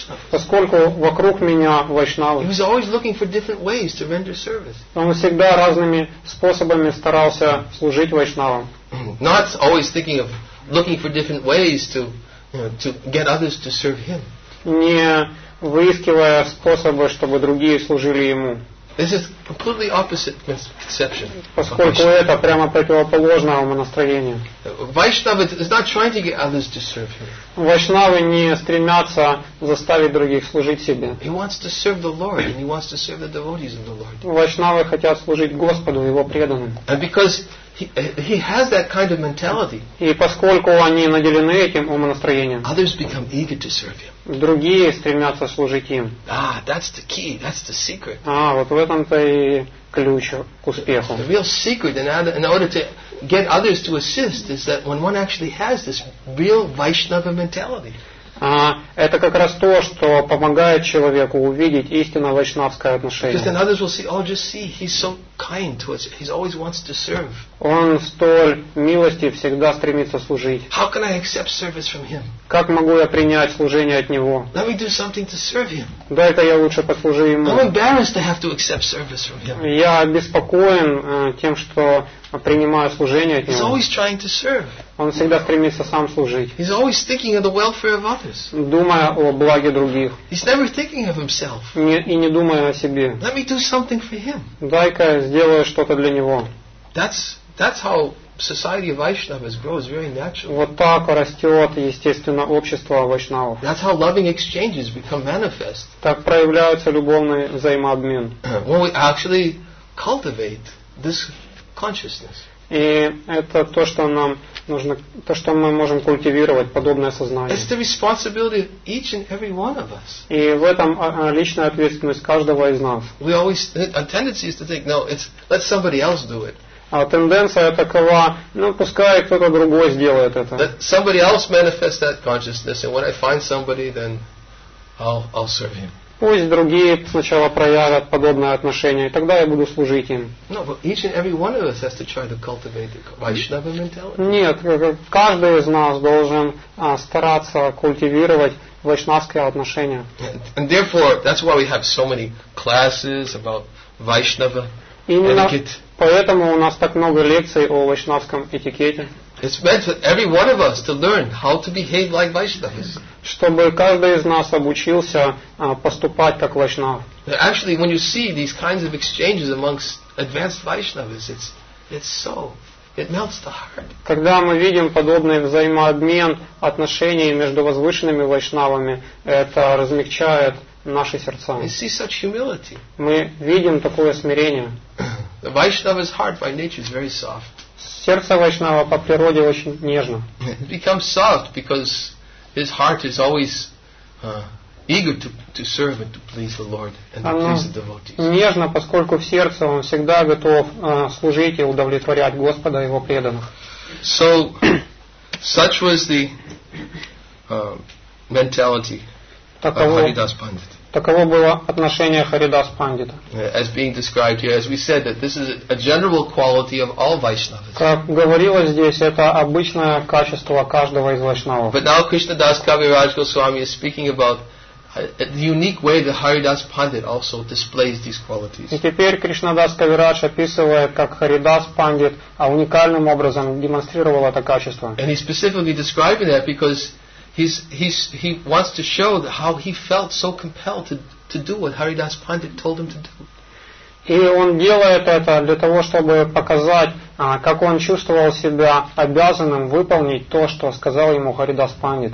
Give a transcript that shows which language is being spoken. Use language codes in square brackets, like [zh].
[ru] Поскольку вокруг меня вайшнавы. Он всегда разными способами старался служить вайшнавам. [en] Not always thinking of looking for different ways to, you know, to get others to serve him. [ru] Не выискивая способы, чтобы другие служили ему. [en] This is completely opposite misconception. [ru] Поскольку это прямо противоположное умонастроение. [en] Vaishnava is not trying to get others to serve him. [ru] Вайшнавы не стремятся заставить других служить себе. [en] He wants to serve the Lord and he wants to serve the devotees of the Lord. [ru] Вайшнавы хотят служить Господу и его преданным. [en] And because he has that kind of mentality. [ru] И поскольку они наделены этим умонастроением. [en] Others become eager to serve him. [ru] Другие стремятся служить им. [en] Ah, that's the key. That's the secret. [ru] Вот в этом-то и ключ к успеху. [en] The real secret in order to get others to assist is that when one actually has this real Vaishnava mentality. [ru] Это как раз то, что помогает человеку увидеть истинно вайшнавское отношение. [en] Because then others will see, oh, just see, he's so kind to us. He always wants to serve. [ru] Он столь милостив, всегда стремится служить. [en] How can I accept service from him? [ru] Как могу я принять служение от него? [en] Let me do something to serve him. [ru] Дай-ка я лучше послужу ему. [en] I'm embarrassed to have to accept service from him. [ru] Я обеспокоен тем, что принимаю служение от него. [en] He's always trying to serve. [ru] Он всегда стремится сам служить. [en] He's always thinking of the welfare of others. [ru] Думая о благе других. [en] He's never thinking of himself. [ru] И не думая о себе. [en] Let me do something for him. [ru] Дай-ка сделаю что-то для него. [en] That's how society of Vaishnavas grows very naturally. [ru] Вот так растет, естественно, общество вайшнавов. [en] That's how loving exchanges become manifest. [ru] Так проявляются любовные взаимообмен. [en] When we actually cultivate this consciousness. [ru] И это то, что нам нужно, то, что мы можем культивировать, подобное сознание. [en] It's the responsibility of each and every one of us. [ru] И в этом личная ответственность каждого из нас. [en] We always, a tendency is to think, no, it's let somebody else do it. [ru] А тенденция такова, ну пускай кто-то другой сделает это. [en] That somebody else manifests that consciousness, and when I find somebody, then I'll serve him. [ru] Пусть другие сначала проявят подобное отношение, и тогда я буду служить им. [en] No, but each and every one of us has to try to cultivate the Vaishnava mentality. [ru] Нет, каждый из нас должен стараться культивировать вайшнавское отношение. [en] And therefore, that's why we have so many classes about Vaishnava etiquette. [ru] Поэтому у нас так много лекций о вайшнавском этикете. [en] It's meant for every one of us to learn how to behave like Vaishnavas. [ru] Чтобы каждый из нас обучился поступать как вайшнав. [en] Actually, when you see these kinds of exchanges amongst advanced Vaishnavas, it melts the heart. [ru] Когда мы видим подобный взаимообмен отношений между возвышенными вайшнавами, это размягчает наши сердца. [en] We see such humility. [ru] Мы видим такое смирение. [en] The Vaishnava's heart by nature is very soft. [ru] Сердце Вайшнава по природе очень нежно. [en] It becomes soft because his heart is always eager to serve and to please the Lord and to please the devotees. [ru] Нежно, поскольку в сердце он всегда готов служить и удовлетворять Господа и его преданных. [en] So such was the mentality of Haridas Pandit. [ru] Таково было отношение Харидас Пандита. [en] As being described here, as we said, that this is a general quality of all Vaishnavas. [ru] Как говорилось здесь, это обычное качество каждого из Вайшнавов. [en] But now Krishna Das Kaviraj Goswami is speaking about the unique way the Haridas Pandit also displays these qualities. [ru] И теперь Кришна Дас Кавирадж описывает, как Харидас Пандит уникальным образом демонстрировал это качество. [en] And he's specifically describing that because he wants to show how he felt so compelled to do what Haridas Pandit told him to do. [ru] И он делает это для того, чтобы показать, как он чувствовал себя обязанным выполнить то, что сказал ему Харидас Пандит.